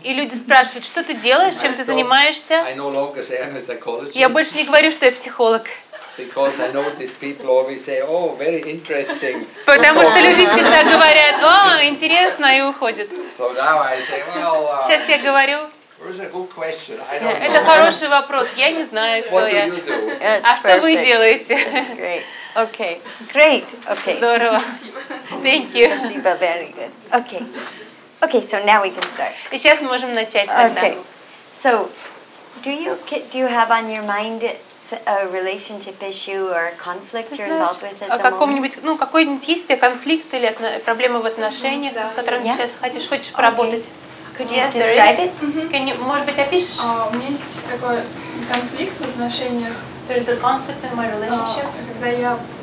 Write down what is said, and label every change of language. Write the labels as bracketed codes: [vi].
[ru] И люди спрашивают, что ты делаешь, чем ты занимаешься? [en] I no longer say I'm a psychologist. [ru] Я больше не говорю, что я психолог. [en] Because I know these people always say, oh, very interesting. [ru] Потому что люди всегда говорят, о, интересно, и уходят. [en] So now I say, well. [ru] Сейчас я говорю. [en] It's a good question. I don't know. [ru] Это хороший вопрос. Я не знаю, кто я. [en] What do you do? [ru] Yeah, а что вы делаете? [en] Okay, great. Okay. [ru] Здорово. [en] Thank you. [ru] Спасибо, [en] very good. Okay. Okay, so now we can start. [ru] И сейчас мы можем начать тогда. [en] Okay. So, do you have on your mind a relationship issue or a conflict you're involved with at the moment? [ru] О каком-нибудь, ну, какой-нибудь есть конфликт или проблема в отношениях, в котором сейчас хочешь поработать? [en] Could you describe it? Can you, [ru] может быть, опишешь? У меня есть такой конфликт в отношениях. [en] There's a conflict in my relationship. [ru] Когда я